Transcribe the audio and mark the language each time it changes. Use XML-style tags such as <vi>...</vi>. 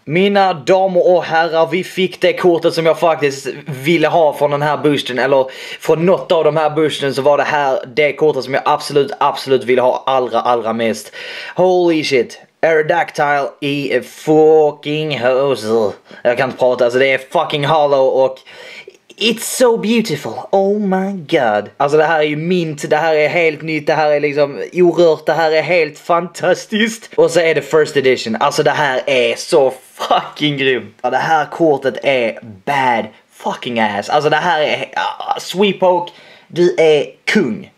<sv>Mina damer och herrar, vi fick det kortet som jag faktiskt ville ha från den här boosten. Eller från något av de här boosten, så var det här det kortet som jag absolut, absolut ville ha allra, allra mest.</sv> <en>Holy shit!</en> <sv>Aerodactyl i fucking hose. Jag kan inte prata, alltså det är fucking hollow och...</sv> <en>It's so beautiful, oh my god.</en> <sv>Alltså det här är ju mint, det här är helt nytt. Det här är liksom orört, det här är helt fantastiskt. Och så är det first edition, alltså det här är så fucking grymt. Det här kortet är</sv> <en>bad fucking ass.</en> <sv>Alltså det här är, Sweepoke, du är kung.</sv>